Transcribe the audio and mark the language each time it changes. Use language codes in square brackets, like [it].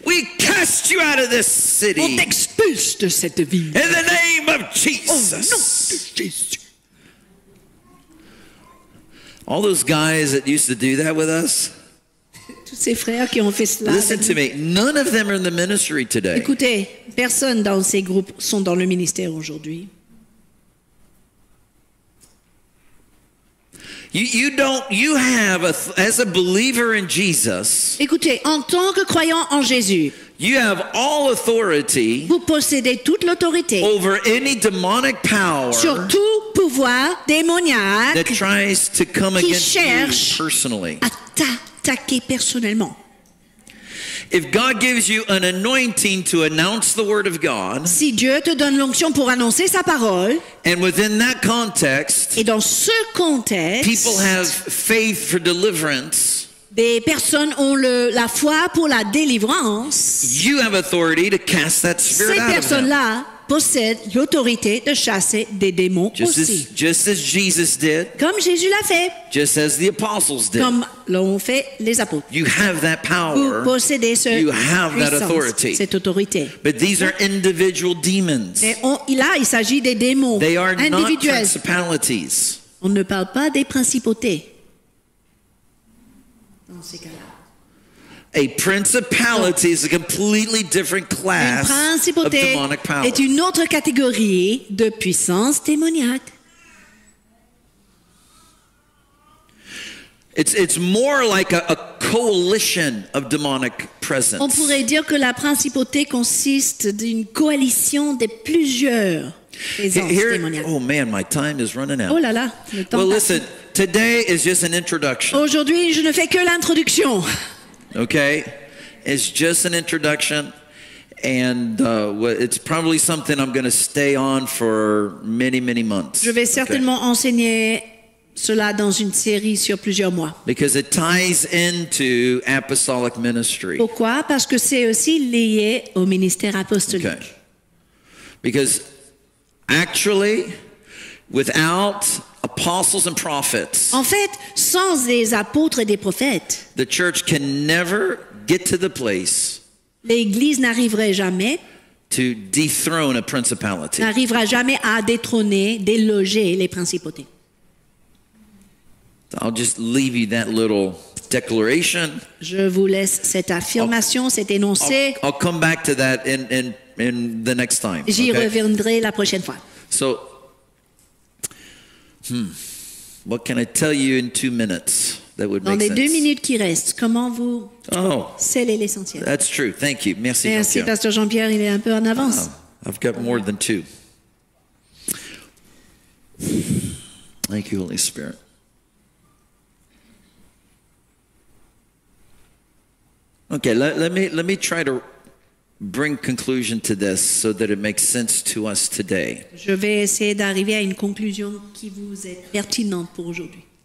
[en] We cast you out of this city. [fr] On t'expulse de cette ville. [en] In the name of Jesus. [fr] Au nom de Jésus. [en] All those guys that used to do that with us. [fr] Tous ces frères qui ont fait cela. [en] Listen to me. None of them are in the ministry today. [fr] Écoutez, personne dans ces groupes sont dans le ministère aujourd'hui. [en] As a believer in Jesus. [fr] Écoutez, en tant que croyant en Jésus. [en] You have all authority. [fr] Vous possédez toute l'autorité. [en] Over any demonic power. [fr] Sur tout pouvoir démoniaque. [en] That tries to come [fr] qui [en] against [fr] cherche [en] you personally. [fr] À t'attaquer personnellement. [en] If God gives you an anointing to announce the word of God. [fr] Si Dieu te donne l'onction pour annoncer sa parole. [en] And within that context. [fr] Et dans ce contexte. [en] People have faith for deliverance. [fr] Des personnes ont la foi pour la délivrance. [en] You have authority to cast that spirit out of [fr] Ces personnes-là possèdent l'autorité de chasser des démons [en] just [fr] aussi. [en] Just as Jesus did. [fr] Comme Jésus l'a fait. [en] Just as the apostles did. [fr] Comme l'ont fait les apôtres. [en] You have that power. [fr] Vous possédez ce [en] you have that authority. [fr] Cette autorité. [en] But these are individual demons. [fr] Mais il s'agit des démons. [en] They are [fr] individuels. [en] Not principalities. [fr] On ne parle pas des principautés. [en] A principality is a completely different class of demonic power. [fr] Une principauté est une autre catégorie de puissance démoniaque. [en] It's more like a coalition of demonic presence. [fr] On pourrait dire que la principauté consiste d'une coalition de plusieurs présences démoniaques. [en] Oh man, my time is running out. [fr] Oh là là, le temps passe. [en] Listen, today is just an introduction. [fr] Aujourd'hui, je ne fais que l'introduction. [en] Okay, it's just an introduction, and it's probably something I'm going to stay on for many, many months. [fr] Je vais certainement enseigner cela dans une série sur plusieurs mois. [en] Because it ties into apostolic ministry. [fr] Pourquoi? Parce que c'est aussi lié au ministère apostolique. [en] Okay. Because actually, without apostles and prophets. [fr] En fait, sans les apôtres et des prophètes. [en] The church can never get to the place. [fr] L'église n'arriverait jamais. [en] To dethrone a principality. [fr] N'arrivera jamais à détrôner, déloger les principautés. [en] I'll just leave you that little declaration. [fr] Je vous laisse cette affirmation, cet énoncé. [en] I'll come back to that in the next time. [fr] J'y reviendrai la prochaine fois. [en] So. What can I tell you in 2 minutes? that would make sense. [fr] Dans les deux minutes qui restent, comment vous scellez l'essentiel? [en] That's true. Thank you. Merci, [fr] Jean-Pierre. Merci, Pasteur Jean-Pierre. Il est un peu en avance. [en] I've got more than two. Thank you, Holy Spirit. Okay, let me try to bring conclusion to this so that it makes sense to us today. [fr] Je vais essayer d'arriver à une conclusion qui vous est pertinente pour aujourd'hui.